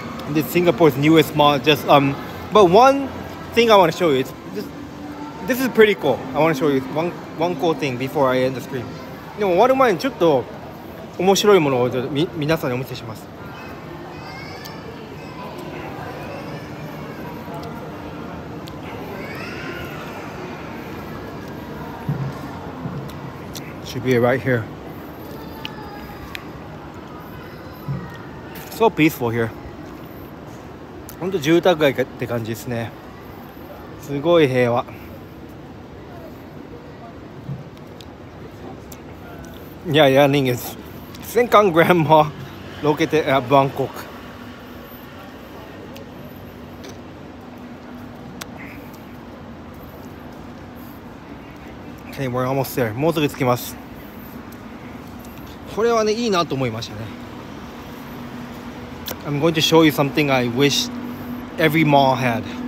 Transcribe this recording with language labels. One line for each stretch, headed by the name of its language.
English: This is Singapore's newest mall, just, but one thing I want to show you, this is pretty cool. I want to show you one cool thing before I end the stream.
Japanese: でも終わる前にちょっと面白いものを皆さんにお見せします。
English: Should be right here. So peaceful here.
Japanese: 本当住宅街って感じですね。すごい平和。
English: Yeah, yeah, Ning is Sengkang Grand Mall located at Buangkok. Okay, we're almost there.
Japanese: もうすぐ着きます。これはね、いいなと思いましたね。
English: I'm going to show you something I wish every mall had.